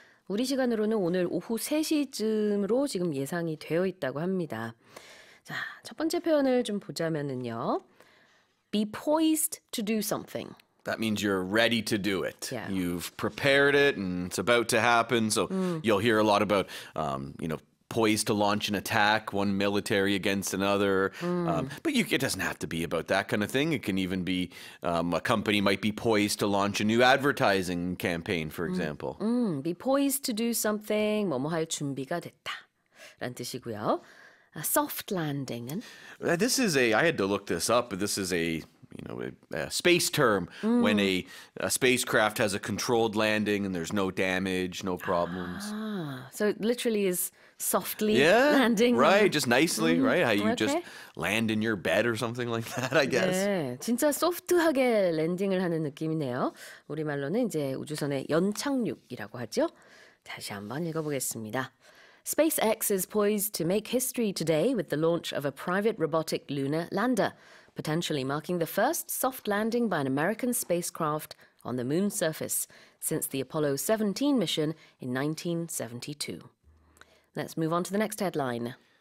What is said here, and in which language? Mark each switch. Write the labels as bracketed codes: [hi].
[ko] 우리 시간으로는 오늘 오후 3시쯤으로 지금 예상이 되어 있다고 합니다. 자, 첫 번째 표현을 좀 보자면은요. [en] Be poised to do something. That means you're ready to do it. Yeah. You've prepared it and it's about to happen. So you'll hear a lot about, you know, poised to launch an attack, one military against another. But it doesn't have to be about that kind of thing. It can even be a company might be poised to launch a new advertising campaign, for example. Be poised to do something. [ko] 뭐뭐 할 준비가 됐다. 라는 뜻이고요. [en] A soft landing. This is I had to look this up, but this is a space term when a spacecraft has a controlled landing and there's no damage, no problems. So it literally is softly landing. Right, just nicely, right? How you just land in your bed or something like that, I guess. [ko] 네, 진짜 소프트하게 랜딩을 하는 느낌이네요. 우리말로는 이제 우주선의 연착륙이라고 하죠. 다시 한번 읽어보겠습니다. [en] SpaceX is poised to make history today with the launch of a private robotic lunar lander, potentially marking the first soft landing by an American spacecraft on the moon's surface since the Apollo 17 mission in 1972. Let's move on to the next headline.